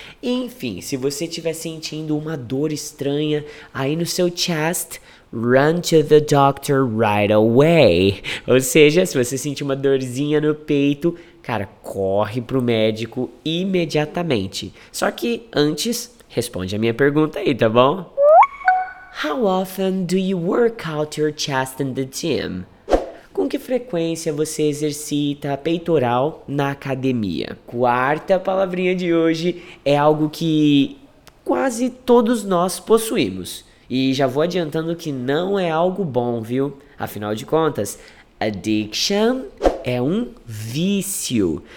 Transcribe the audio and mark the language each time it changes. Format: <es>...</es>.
<pt>Enfim, se você estiver sentindo uma dor estranha aí no seu chest,</pt> <en>run to the doctor right away.</en> <pt>Ou seja, se você sentir uma dorzinha no peito, cara, corre pro médico imediatamente. Só que antes, responde a minha pergunta aí, tá bom?</pt> <en>How often do you work out your chest in the gym?</en> <pt>Com que frequência você exercita peitoral na academia? Quarta palavrinha de hoje é algo que quase todos nós possuímos. E já vou adiantando que não é algo bom, viu? Afinal de contas, addiction é um vício.</pt>